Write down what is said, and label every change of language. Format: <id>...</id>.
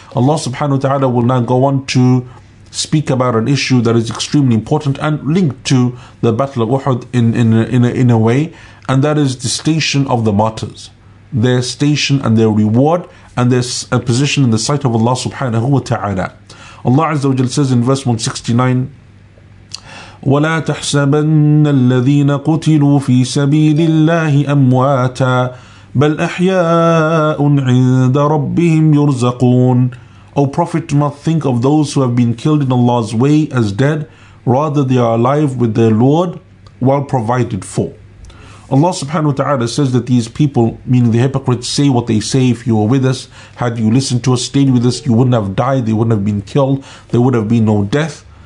<en>Allah subhanahu wa ta'ala will now go on to speak about an issue that is extremely important and linked to the Battle of Uhud in a way, and that is the station of the martyrs, their station and their reward, and their position in the sight of Allah subhanahu wa ta'ala. Allah azza wa jal says in verse 169,</en> <ar>وَلَا تَحْسَبَنَّ الَّذِينَ قُتِلُوا فِي سَبِيلِ اللَّهِ أَمْوَاتًا بَلْ أَحْيَاءٌ عِنْدَ رَبِّهِمْ يُرْزَقُونَ.</ar> <en>O Prophet, do not think of those who have been killed in Allah's way as dead, rather they are alive with their Lord, well provided for. Allah subhanahu wa ta'ala says that these people, meaning the hypocrites, say what they say, if you were with us, had you listened to us, stayed with us, you wouldn't have died, they wouldn't have been killed, there would have been no death.</en>